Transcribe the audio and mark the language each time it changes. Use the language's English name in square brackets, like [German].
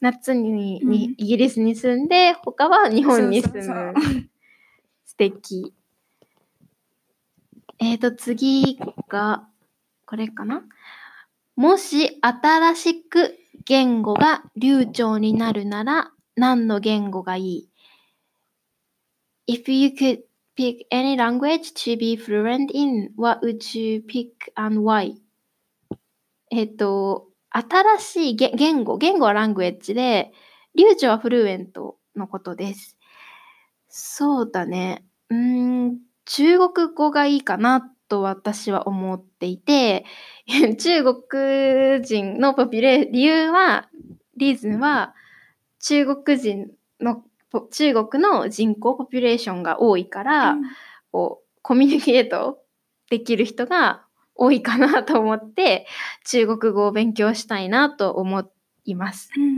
[Japanese] 夏に、イギリスに住んで、他は日本に住む。素敵。次がこれかな。もし新しく言語が流暢になるなら、何の言語がいい？ [English] If you could pick any language to be fluent in, what would you pick and why? [Japanese] 新しい言語、言語はラングエッジで、流暢はフルエントのことです。そうだね。中国語がいいかなと私は思っていて、中国人のポピュレー、理由は、リーズンは、中国の人口、ポピュレーションが多いから、こう、コミュニケートできる人が多いかなと思って、中国語を勉強したいなと思います。